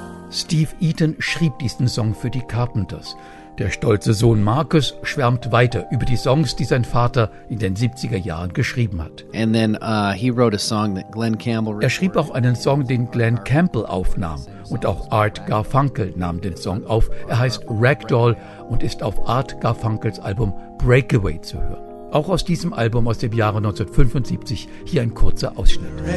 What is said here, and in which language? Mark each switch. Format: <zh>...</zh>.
<de>Steve Eaton schrieb diesen Song für die Carpenters. Der stolze Sohn Marcus schwärmt weiter über die Songs, die sein Vater in den 70er Jahren geschrieben hat.</de> <en>And then, he wrote a song that Glen Campbell recorded.</en> <de>Er schrieb auch einen Song, den Glen Campbell aufnahm. Und auch Art Garfunkel nahm den Song auf. Er heißt Ragdoll und ist auf Art Garfunkels Album Breakaway zu hören. Auch aus diesem Album aus dem Jahre 1975 hier ein kurzer Ausschnitt.</de>